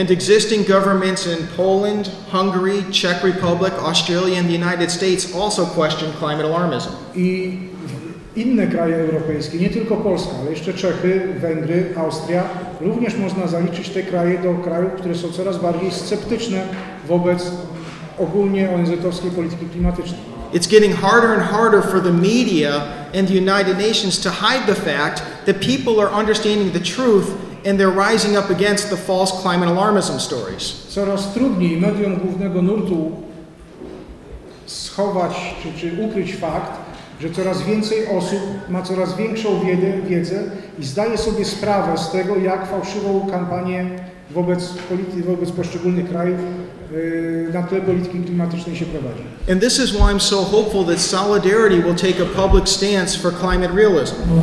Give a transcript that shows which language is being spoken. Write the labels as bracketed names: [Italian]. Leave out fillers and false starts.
[English] And existing governments in Poland, Hungary, Czech Republic, Australia and the United States also question climate alarmism. [Polish] I inne kraje europejskie, nie tylko Polska, ale jeszcze Czechy, Węgry, Austria, również można zaliczyć te kraje do krajów, które są coraz bardziej sceptyczne wobec ogólnie ONZ-owskiej polityki klimatycznej. [English] it's getting harder and harder for the media and the United Nations to hide the fact that people are understanding the truth and they're rising up against the false climate alarmism stories. [Polish] Coraz trudniej mediom głównego nurtu schować czy ukryć fakt, że coraz więcej osób ma coraz większą wiedzę i zdaje sobie sprawę z tego, jak fałszywą kampanię wobec polityki, wobec poszczególnych krajów na tle polityki klimatycznej się prowadzi. [English] And this is why I'm so hopeful that solidarity will take a public stance for climate realism.